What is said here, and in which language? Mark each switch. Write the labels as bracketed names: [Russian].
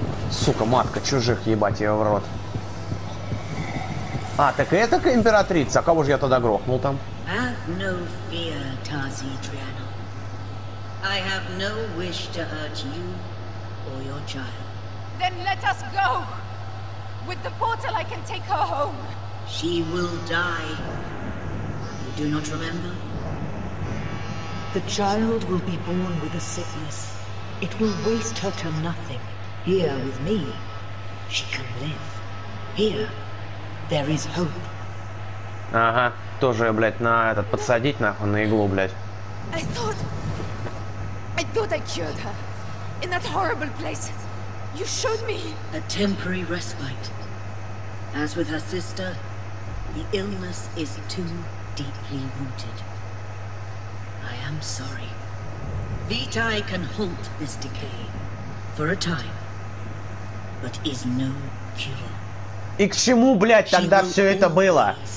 [Russian] Сука, матка чужих, ебать ее в рот. А, так это императрица, а кого же я тогда грохнул там? [English] Have no fear, Tazi Triano. I have no wish to hurt you or your child. Then let us go! With the portal I can take her home. She will die. You do not remember? The child will be born with a sickness. It will waste her to nothing. Here with me, she can live. Here. There is hope. [Russian] Ага, тоже, блядь, на этот подсадить нахуй на иглу, блядь. [English] I thought I cured her in that horrible place. You showed me a temporary respite. As with her sister, the illness is too deeply rooted. I am sorry. Vitae can halt this decay for a time, but is no cure. [Russian] И к чему, блядь, тогда все это было?